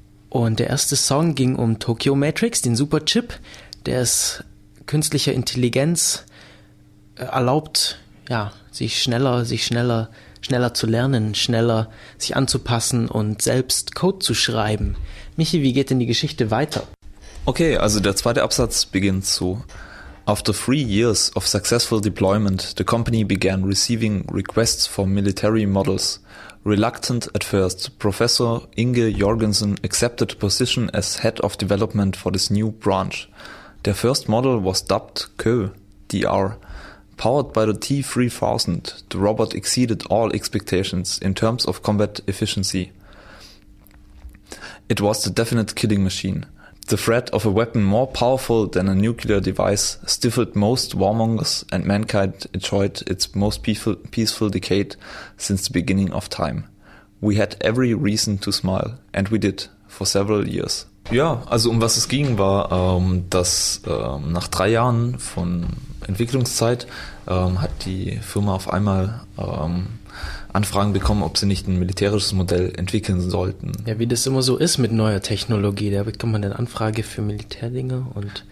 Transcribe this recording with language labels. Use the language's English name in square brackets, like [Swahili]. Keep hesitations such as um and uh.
[German] Und der erste Song ging um Tokyo Matrix, den Superchip, der es künstlicher Intelligenz äh, erlaubt, ja, sich schneller, sich schneller, schneller zu lernen, schneller sich anzupassen und selbst Code zu schreiben. Michi, wie geht denn die Geschichte weiter? Okay, also der zweite Absatz beginnt so. [English] After three years of successful deployment, the company began receiving requests for military models. Reluctant at first, Professor Inge Jorgensen accepted position as head of development for this new branch. Their first model was dubbed KÖ DR. Powered by the T3000, the robot exceeded all expectations in terms of combat efficiency. It was the definite killing machine. The threat of a weapon more powerful than a nuclear device stifled most warmongers, and mankind enjoyed its most peaceful, peaceful decade since the beginning of time. We had every reason to smile, and we did, for several years. [German] Ja, also um was es ging, war, ähm, dass ähm, nach drei Jahren von Entwicklungszeit ähm, hat die Firma auf einmal ähm, Anfragen bekommen, ob sie nicht ein militärisches Modell entwickeln sollten. Ja, wie das immer so ist mit neuer Technologie, da bekommt man dann Anfrage für Militärdinge und